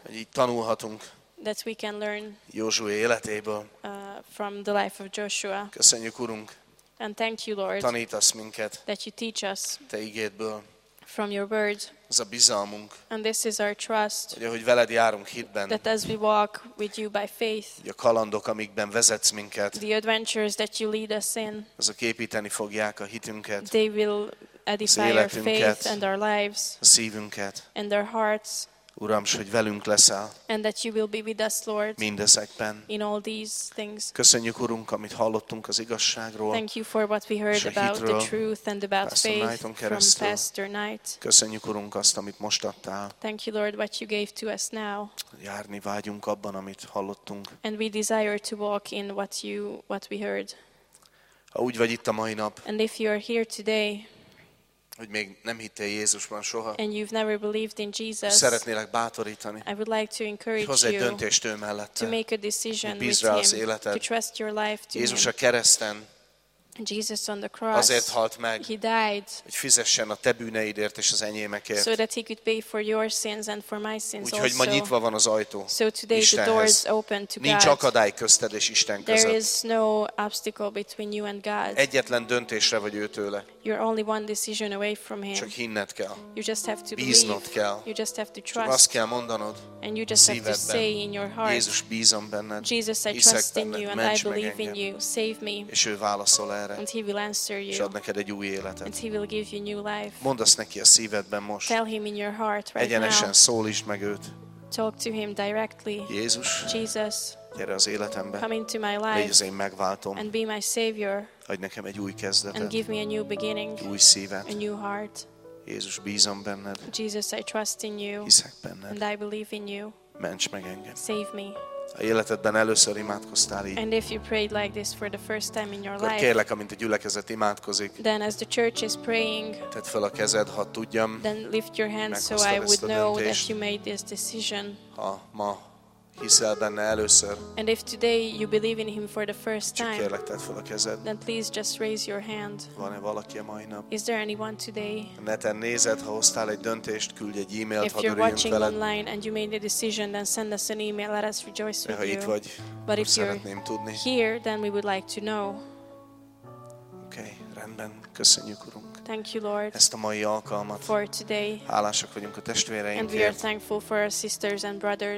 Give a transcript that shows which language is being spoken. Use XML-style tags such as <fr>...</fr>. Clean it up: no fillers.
<hu>hogy így tanulhatunk,</hu> <en>that we can learn,</en> <hu>Józsué életéből,</hu> <en>from the life of Joshua.</en> <hu>Köszönjük, Urunk,</hu> <en>and thank you, Lord,</en> <hu>tanítasz minket,</hu> <en>that you teach us,</en> <hu>te igédből,</hu> <en>from your word.</en> <hu>Ez a bizalmunk.</hu> <en>And this is our trust.</en> <hu>Ugye, hogy veled járunk hitben.</hu> <en>That as we walk with you by faith.</en> <hu>Ugye, a kalandok, amikben vezetsz minket.</hu> <en>The adventures that you lead us in.</en> <hu>Azok építeni fogják a hitünket.</hu> <en>They will edify our faith and our lives.</en> <hu>A szívünket.</hu> <en>And our hearts.</en> <hu>Uram, s hogy velünk leszel.</hu> <en>And that you will be with us, Lord.</en> <hu>Mindezekben.</hu> <en>In all these things.</en> <hu>Köszönjük, Urunk, amit hallottunk az igazságról.</hu> <en>Thank you for what we heard about</en> <hu>hitről,</hu> <en>the truth and about faith from Pastor Knight.</en> <hu>Köszönjük, Urunk, azt, amit most adtál.</hu> <en>Thank you, Lord, what you gave to us now.</en> <hu>Járni vágyunk abban, amit hallottunk.</hu> <en>And we desire to walk in what we heard.</en> <hu>Ha úgy vagy itt a mai nap.</hu> <en>And if you are here today.</en> <hu>Hogy még nem hittél Jézusban soha.</hu> <en>And you've never believed in Jesus.</en> <hu>Szeretnélek bátorítani.</hu> <en>I would like to encourage you.</en> <hu>Hozz egy döntést ő mellette.</hu> <en>To make a decision with him. To trust your life to him.</en> <hu>Jézus a kereszten.</hu> <en>Jesus on the cross.</en> <hu>Azért halt meg.</hu> <en>He died.</en> <hu>Hogy fizessen a te bűneidért és az enyémekért.</hu> <en>So that he could pay for your sins and for my sins also.</en> <hu>Úgyhogy ma nyitva van az ajtó.</hu> <en>So today the door is open to God.</en> <hu>Nincs akadály közted és Isten között.</hu> <en>There is no obstacle between you and God.</en> <hu>Egyetlen döntésre vagy ő tőle.</hu> <en>You're only one decision away from him.</en> <hu>Csak hinned kell.</hu> <en>You just have to</en> <hu>believe. Bíznod kell.</hu> <en>You just have to trust.</en> <hu>Azt kell mondanod.</hu> <en>And you just have to say in your heart.</en> <hu>Jézus, bízom benned.</hu> <en>Jesus, I trust in you and I believe in you. Save me.</en> <hu>És ő válaszol el.</hu> <en>And he will answer you.</en> <hu>És ad neked egy új életet.</hu> <en>And he will give you new life.</en> <hu>Mondd azt neki a szívedben most.</hu> <en>Tell him in your heart right</en> <hu>egyenesen</hu> <en>now.</en> <hu>Szólítsd meg őt.</hu> <en>Talk to him directly.</en> <hu>Jézus.</hu> <en>Jesus.</en> <hu>Gyere az életembe.</hu> <en>Come into my life.</en> <hu>Légy az én megváltom.</hu> <en>And be my savior.</en> <hu>Adj nekem egy új kezdetet.</hu> <en>And give me a new beginning.</en> <hu>Új szívet.</hu> <en>A new heart.</en> <hu>Jézus, bízom benned.</hu> <en>Jesus, I trust in you.</en> <hu>Hiszek benned.</hu> <en>And I believe in you.</en> <hu>Ments meg engem.</hu> <en>Save me.</en> <hu>A életedben először imádkoztál így.</hu> <en>And if you prayed like this for the first time in your life.</en> <hu>Kérlek, amint a gyülekezet imádkozik.</hu> <en>Then as the church is praying.</en> <hu>Tedd fel a kezed, ha tudjam.</hu> <en>Then lift your hand so I would know that you made this decision.</en> <hu>Ha ma hiszel benne először.</hu> <en>And if today you believe in him for the first time.</en> <hu>Csak kérlek, tedd fel a kezed.</hu> <en>Then please just raise your hand.</en> <hu>Van-e valaki a mai nap?</hu> <en>Is there anyone today?</en> <hu>Neten nézed, ha hoztál egy döntést, küldj egy e-mailt,</hu> <en>if you're watching online and you made a decision, then send us an email, let us rejoice with</en> <hu>you. Itt vagy,</hu> <en>but if you're tudni. Here, then we would like to know.</en> <hu>Okay, rendben, köszönjük, Urunk.</hu> <en>Thank you, Lord,</en> <hu>ezt a mai alkalmat.</hu> <en>For today.</en> <hu>Hálásak vagyunk a testvéreinkért.</hu> <en>And we are thankful for our sisters and brothers.</en>